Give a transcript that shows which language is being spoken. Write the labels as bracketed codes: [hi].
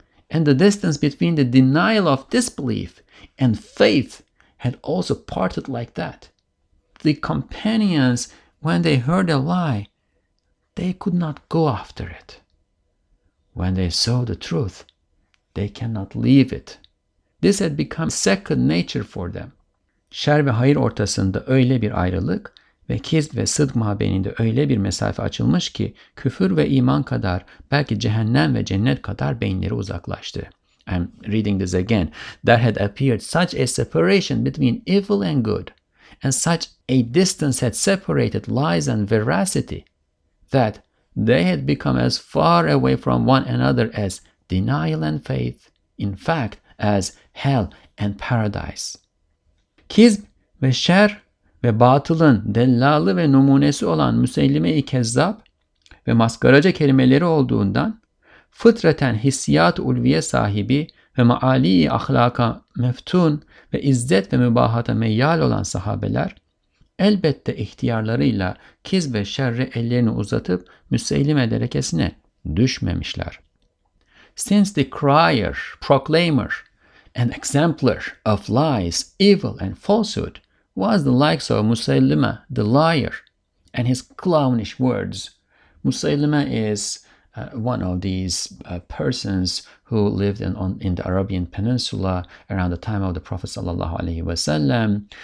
[en] And the distance between the denial of disbelief and faith had also parted like that. The companions, when they heard a lie, they could not go after it. When they saw the truth, they cannot leave it. This had become second nature for them. [tr] Şer ve hayır ortasında öyle bir ayrılık ve kizb ve sıdk mabeyninde öyle bir mesafe açılmış ki, küfür ve iman kadar, belki cehennem ve cennet kadar beyinleri uzaklaştı. [en] I'm reading this again. There had appeared such a separation between evil and good, and such a distance had separated lies and veracity, that they had become as far away from one another as denial and faith, in fact, as hell and paradise. [tr] Kizb ve şer ve batılın dellalı ve numunesi olan müsellime-i kezzab ve maskaraca kelimeleri olduğundan, fıtraten hissiyat-ı ulviye sahibi ve maali-i ahlaka meftun ve izzet ve mübahata meyyal olan sahabeler, elbette ihtiyarlarıyla kiz ve şerre ellerini uzatıp müseylime derekesine düşmemişler. [en] Since the crier, proclaimer, an exemplar of lies, evil, and falsehood was the likes of Musaylimah, the liar, and his clownish words. Musaylimah is one of these persons who lived in the Arabian Peninsula around the time of the Prophet sallallahu alaihi wasallam.